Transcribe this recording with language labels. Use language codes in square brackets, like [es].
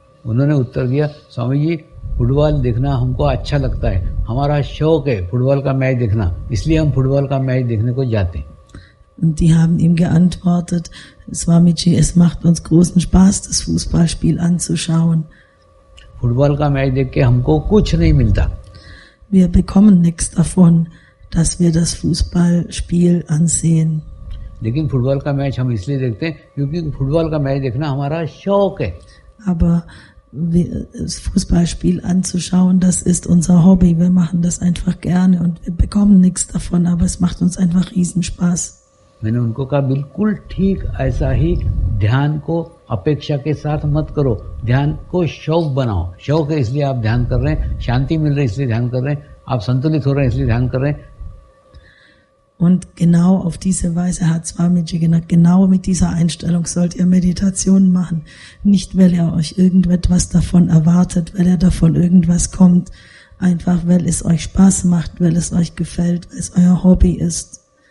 [hi] Unhone uttar diya, Swamiji, football देखना हमको अच्छा लगता है, हमारा शौक है फुटबॉल का मैच देखना, इसलिए हम फुटबॉल का मैच देखने को जाते हैं. [de] Die haben ihm geantwortet, Swamiji, es macht uns großen Spaß, das Fußballspiel anzuschauen. [hi] Football का मैच देख के हमको कुछ नहीं मिलता. [de] Wir bekommen nichts davon, dass wir das Fußballspiel ansehen. [hi] लेकिन फुटबॉल का मैच हम इसलिए देखते हैं क्योंकि फुटबॉल का मैच देखना हमारा शौक है. [de] Aber das Fußballspiel anzuschauen, das ist unser Hobby. Wir machen das einfach gerne und wir bekommen nichts davon, aber es macht uns einfach Riesenspaß. [hi] मैंने उनको कहा बिल्कुल ठीक ऐसा ही ध्यान को अपेक्षा के साथ मत करो, ध्यान को शौक बनाओ. शौक है इसलिए आप ध्यान कर रहे हैं, शांति मिल रही है इसलिए ध्यान कर रहे हैं, आप संतुलित हो रहे हैं इसलिए ध्यान कर रहे हैं. [de] Und genau auf diese Weise hat Swamiji gesagt, genau mit dieser Einstellung sollt ihr Meditation machen. Nicht, weil ihr euch irgendetwas davon erwartet, weil ihr davon irgendwas kommt. Einfach, weil es euch Spaß macht, weil es euch gefällt, weil es euer Hobby ist.